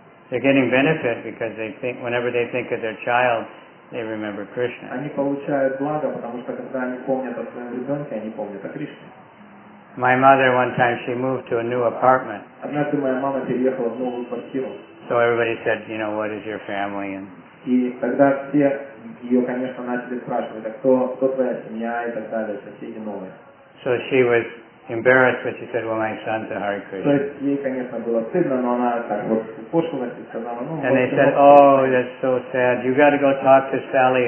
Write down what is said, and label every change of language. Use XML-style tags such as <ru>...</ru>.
<en>They're getting benefit because they think whenever they think of their child, they remember Krishna.</en> <ru>Они получают благо, потому что когда они помнят о своем ребенке, они помнят о Кришне.</ru> <en>My mother one time she moved to a new apartment.</en> <ru>Однажды моя мама переехала в новую квартиру.</ru> <en>So everybody said, you know, what is your family? And</en> <ru>и тогда все ее, конечно, начали спрашивать, а кто твоя семья и так далее, соседи новые.</ru> <en>So she was embarrassed, but she said, "Well, my son's a Hare Krishna."</en> <ru>То есть ей, конечно, было стыдно, но она так вот упошлилась и сказала, ну.</ru> <en>And they said, "Oh, that's so sad. You got to go talk to Sally.</en>